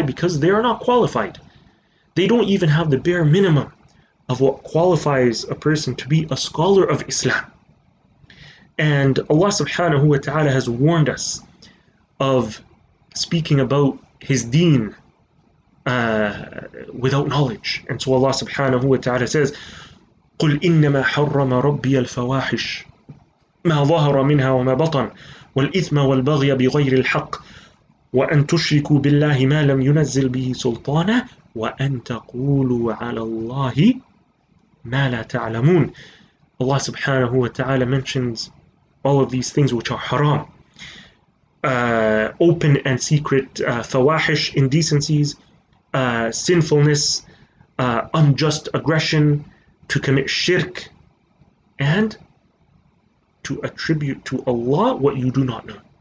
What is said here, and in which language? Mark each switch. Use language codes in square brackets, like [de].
[en] Because they are not qualified. They don't even have the bare minimum of what qualifies a person to be a scholar of Islam. And Allah subhanahu wa ta'ala has warned us of speaking about his deen without knowledge. And so Allah subhanahu wa ta'ala says, [ar] قُلْ إِنَّمَا حَرَّمَ رَبِّيَ الْفَوَاحِشِ مَا ظَهَرَ مِنْهَا وَمَا بَطَنَ وَالْإِثْمَ وَالْبَغْيَ بِغَيْرِ الْحَقِّ وَأَنْ تُشْرِكُوا بِاللَّهِ مَا لَمْ يُنَزِّلْ بِهِ سُلْطَانًا وَأَنْ تَقُولُوا عَلَى اللَّهِ مَا لَا تَعْلَمُونَ. [en] Allah subhanahu wa ta'ala mentions all of these things which are haram. Open and secret fawahish, indecencies, sinfulness, unjust aggression, to commit shirk, and to attribute to Allah what you do not know.